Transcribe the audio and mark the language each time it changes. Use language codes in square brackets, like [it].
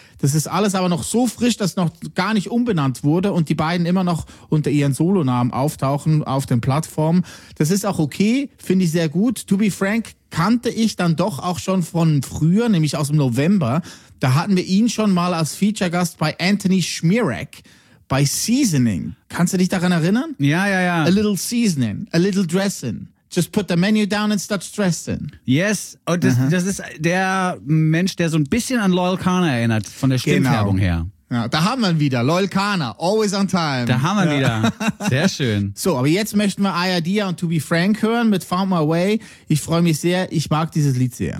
[de] Das ist alles aber noch so frisch, dass noch gar nicht umbenannt wurde und die beiden immer noch unter ihren Solonamen auftauchen auf den Plattformen. Das ist auch okay, finde ich sehr gut. To Be Frank kannte ich dann doch auch schon von früher, nämlich aus dem November. Da hatten wir ihn schon mal als Feature-Gast bei Anthony Schmierek bei Seasoning. Kannst du dich daran erinnern? Ja, ja, ja. [en] A little seasoning, a little dressing. Just put the menu down and start stressing. [de] Yes, und das, das ist der Mensch, der so ein bisschen an Loyal Kana erinnert, von der Stimmfärbung her. Ja, da haben wir ihn wieder, Loyal Kana, [en] always on time. [de] Da haben wir wieder, sehr schön. So, aber jetzt möchten wir Aya Dia und To Be Frank hören mit Found My Way. Ich freue mich sehr, ich mag dieses Lied sehr.